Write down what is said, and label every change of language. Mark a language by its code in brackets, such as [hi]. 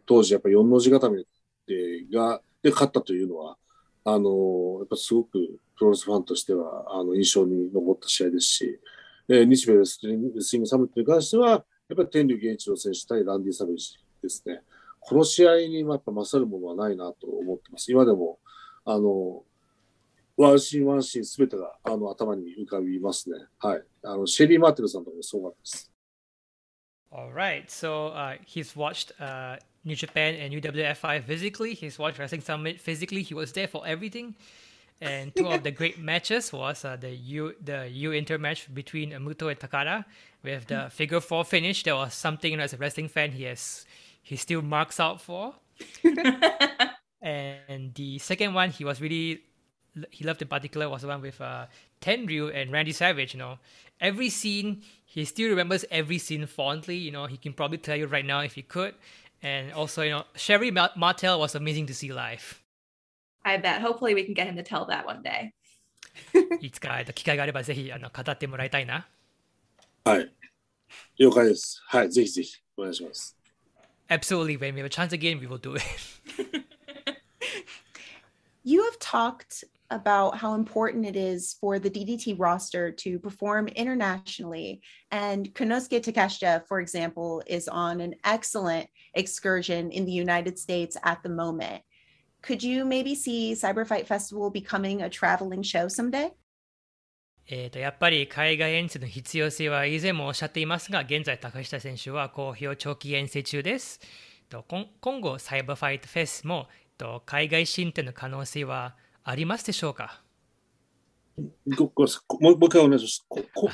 [ja] 当時やっぱり四の字固めで勝ったというのはやっぱすごくプロレスファンとしては印象に残った試合ですし、日米レスリングサミットに関してはやっぱり天竜源一郎選手対ランディ・サベージですね。この試合にやっぱ勝るものはないなと思ってます。今でもワンシーンワンシーンすべてが頭に浮かびますね。はい、シェリー・マーティルさんとかもそうなんです。 [en] Alright, so he's watched New Japan and UWFI physically. He's watched Wrestling Summit physically. He was there for everything. And two of the great matches was the U Inter match between Muto and Takada with the figure four finish. That was something, as a wrestling fan, he still marks out for. And the second one he was really, he loved in particular, was the one with Tenryu and Randy Savage. Every scene, he still remembers every scene fondly. He can probably tell you right now if he could. And also, Sherry Martel was amazing to see live. I bet. Hopefully we can get him to tell that one day. [ja] いつか機会があればぜひ語ってもらいたいな。はい。了解です。はい。ぜひぜひお願いします。 [en] Absolutely. When we have a chance again, we will do it. You have talked about how important it is for the DDT roster to perform internationally. And Konosuke Takeshita, for example, is on an excellent excursion in the United States at the moment. Could you maybe see Cyber Fight Festival becoming a traveling show someday? [ja] やっぱり海外遠征の必要性は以前もおっしゃっていますが、現在高下選手は好評長期遠征中です。今後サイバーファイトフェスも海外進展の可能性はありますでしょうか？もう一回お願いします。